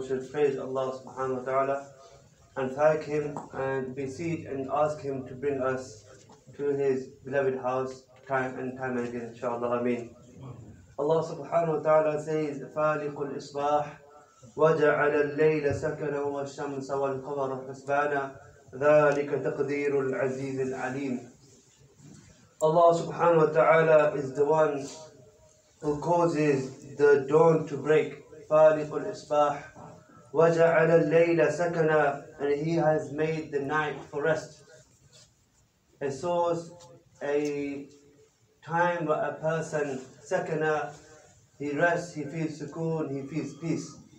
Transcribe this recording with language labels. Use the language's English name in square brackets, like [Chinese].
[English] We should praise Allah subhanahu wa ta'ala and thank Him and beseech and ask Him to bring us to His beloved house time and time again, inshaAllah. Ameen. Allah subhanahu wa ta'ala says, Faliq al-Isbah. [Arabic] وجعل الليل سكنا والشمس والقمر حسبانا ذلك تقدير العزيز العليم. [English] Allah subhanahu wa ta'ala is the one who causes the dawn to break. [Arabic] فالق الإصباح وجعل الليل سكنا, [English] and He has made the night for rest, a source, a time where a person سكنا, he rests, he feels sukoon, he feels peace.